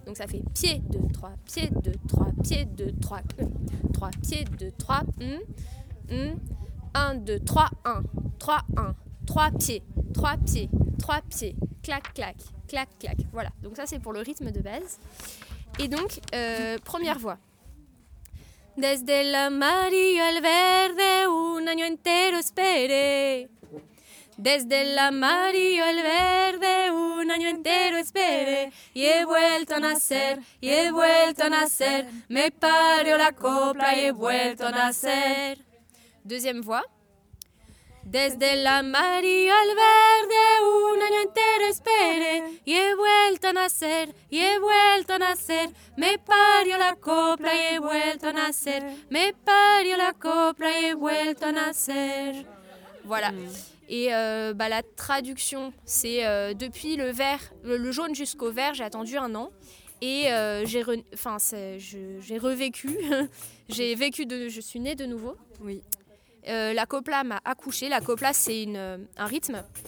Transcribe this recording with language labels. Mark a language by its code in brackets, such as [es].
[fr] Donc, ça fait pied, 2, 3, pied, 2, 3, pied, 2, 3, 3, pied, 2, 3, 1, 2, 3, 1, 3, 1, 3 pieds, 3 pieds, 3 pieds, clac, clac. Clac, clac, voilà. Donc ça, c'est pour le rythme de base. Et donc, première voix. [es] Desde el amarillo al verde, un año entero esperé. Desde el amarillo al verde, un año entero esperé. Y he vuelto a nacer, y he vuelto a nacer. Me parió la copla y he vuelto a nacer. [fr] Deuxième voix. [es] Desde el amarillo al verde, un año entero esperé. Y he vuelto a nacer, y he vuelto a nacer. Me parió la copla y he vuelto a nacer. Me parió la copla y he vuelto a nacer. [fr] Voilà. Et bah, la traduction, c'est depuis le vert, le jaune jusqu'au vert, j'ai attendu un an. Et j'ai revécu. J'ai vécu, je suis née de nouveau. Oui. La copla m'a accouchée. La copla, c'est un rythme.